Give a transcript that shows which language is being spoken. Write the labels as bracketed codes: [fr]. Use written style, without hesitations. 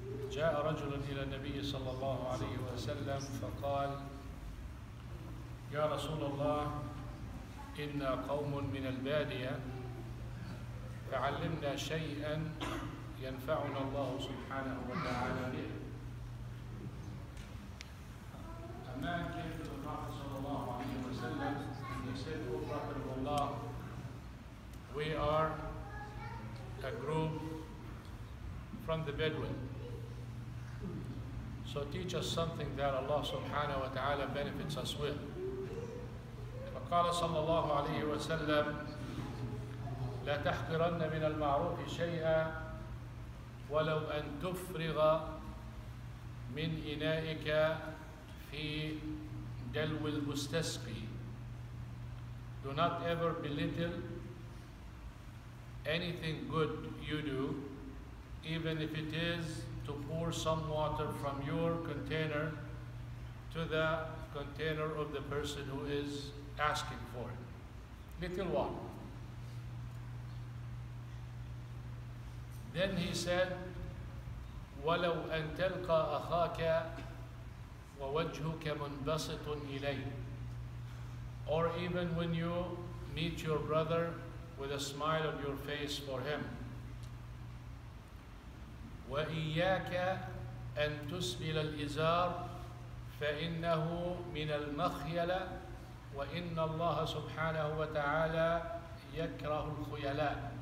[ar] جاء رجل إلى النبي صلى الله عليه وسلم فقال يا رسول الله إنا قوم من البادية فعلمنا شيئا ينفعنا الله سبحانه وتعالى به ما كان الرسول صلى الله عليه وسلم يسأل رحمة الله. [en] We are a group from the Bedouin. So teach us something that Allah subhanahu wa ta'ala benefits us with. [ar] فقال صلى الله عليه وسلم لا تحقرن من المعروف شيئا ولو أن تفرغ من إنائك في دلو المستسقي. [en] Do not ever belittle anything good you do, even if it is to pour some water from your container to the container of the person who is asking for it. Little water. Then he said, [ar] وَلَوْ أَن تَلْقَى أَخَاكَ وَوَجْهُكَ مُنْبَسِطٌ إِلَيْهِ. [en] Or even when you meet your brother with a smile on your face for him. [ar] وَإِيَّاكَ أَن تُسْبِلَ الْإِزَارِ فَإِنَّهُ مِنَ الْمَخْيَلَ وَإِنَّ اللَّهَ سُبْحَانَهُ وَتَعَالَى يَكْرَهُ الْخُيَلَى.